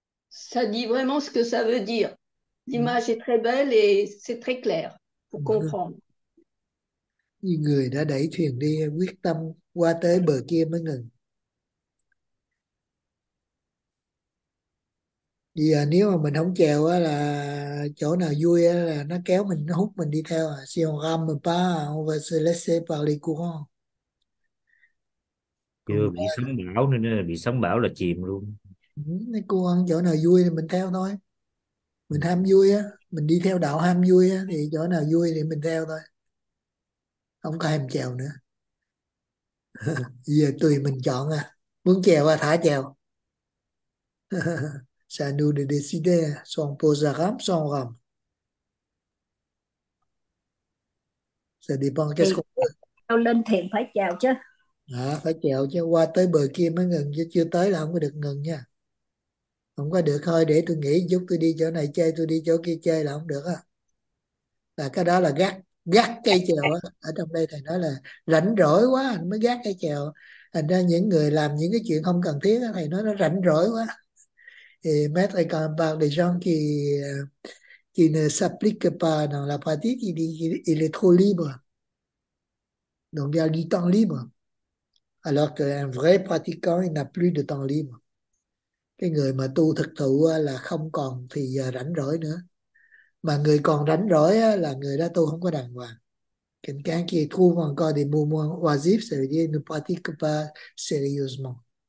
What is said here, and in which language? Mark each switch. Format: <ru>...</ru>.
<fr>Ça dit vraiment ce que ça veut dire. L'image est très belle et c'est très clair pour comprendre.</fr> <vi>Người đã đẩy thuyền đi, quyết tâm qua tới bờ kia mới ngừng. Thì à, nếu mà mình không chèo á, là chỗ nào vui á, là nó kéo mình, nó hút mình đi theo.</vi> <fr>Si on rame pas, on va se laisser par les courants.</fr> <vi>Còn Chưa bị sóng bão nên bị sóng bão là chìm luôn. mấy cô ăn chỗ nào vui thì mình theo thôi. Mình ham vui á, mình đi theo đạo ham vui á, thì chỗ nào vui thì mình theo thôi. Không có ham chèo nữa. Bây giờ tùy mình chọn à. Muốn chèo à, thả chèo.</vi> <fr>Ça nous de décider, sans poser la rame, sans rame. Ça dépend qu'est-ce</fr> <vi>Thì</vi> <fr>qu'on veut.</fr> <vi>lên thuyền phải chào chứ. À, phải chèo chứ, qua tới bờ kia mới ngừng, chứ chưa tới là không có được ngừng nha. Không có được, thôi để tôi nghỉ chút, tôi đi chỗ này chơi, tôi đi chỗ kia chơi là không được á. Là cái đó là gác gác cây chèo á. Ở trong đây thầy nói là rảnh rỗi quá anh mới gác cây chèo. Thành ra những người làm những cái chuyện không cần thiết, thầy nói nó rảnh rỗi quá.</vi> <fr>Et maître, quand on parle des gens qui ne s'appliquent pas dans la pratique, il dit qu'il est trop libre. Donc, il y a du temps libre. Alors qu'un vrai pratiquant, il n'a plus de temps libre.</fr> <vi>Cái người mà tu thực thụ là không còn thì giờ rảnh rỗi nữa. Mà người còn rảnh rỗi là người đã tu không có đàng hoàng.</vi> <fr>Quelqu'un qui trouve encore des moments oisifs, ça veut dire qu'il ne pratique pas sérieusement.</fr>